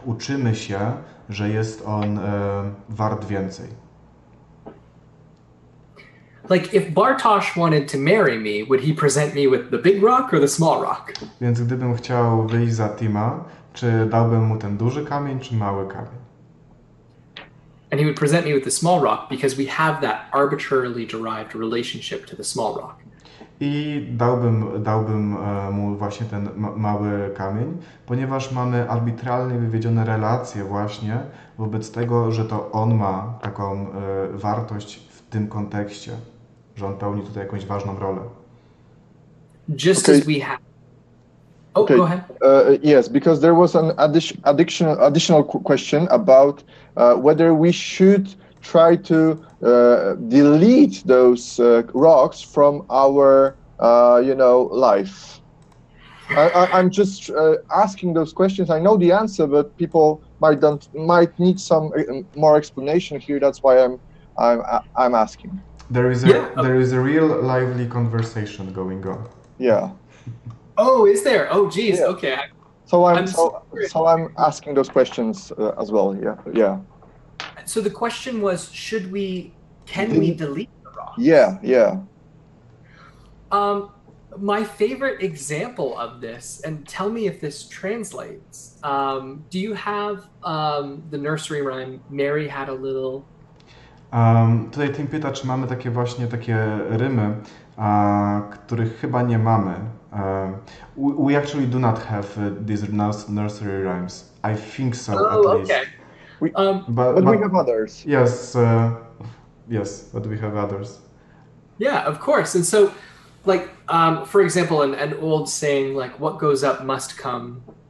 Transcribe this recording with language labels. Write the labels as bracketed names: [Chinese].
[Polish] Uczymy się, że jest on wart więcej. [English] Like if Bartosz wanted to marry me, would he present me with the big rock or the small rock? [Polish] Więc gdybym chciał wyjść za Tima, czy dałbym mu ten duży kamień, czy mały kamień? [English] And he would present me with the small rock because we have that arbitrarily derived relationship to the small rock. [Polish] I dałbym mu właśnie ten mały kamień, ponieważ mamy arbitralnie wywiedzione relacje właśnie wobec tego, że to on ma taką wartość w tym kontekście, że on pełni tutaj jakąś ważną rolę. [English] Just okay. As we have. Oh, okay. Go ahead. Yes, because there was an additional question about whether we should try to delete those rocks from our, life. I'm just asking those questions. I know the answer, but people might need some more explanation here. That's why I'm asking. There is a real lively conversation going on. Yeah. Oh, is there? Oh, geez. Yeah. Okay. So I'm asking those questions as well. Yeah. So the question was, can we delete the rocks? Yeah. My favorite example of this, and tell me if this translates. Do you have the nursery rhyme, Mary had a little? [Polish] Tutaj Tim pyta, czy mamy takie właśnie takie rymy, których chyba nie mamy. [English] We actually do not have these nursery rhymes. I think so, oh, at okay. least. But we have others. Yes, but we have others. Yeah, of course. And so, like, for example, an old saying, like, what goes up must come.